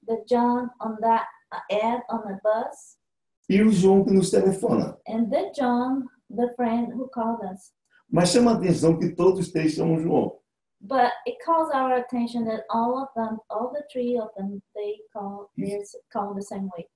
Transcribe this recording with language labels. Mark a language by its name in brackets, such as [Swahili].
[English] The John on that ad on the bus. [Portuguese] E o João que nos telefona. [English] And the John, the friend who called us. [Portuguese] Mas chama a atenção que todos três chamam João. [English] But it calls our attention that all of them, all the three of them, they call, call the same way.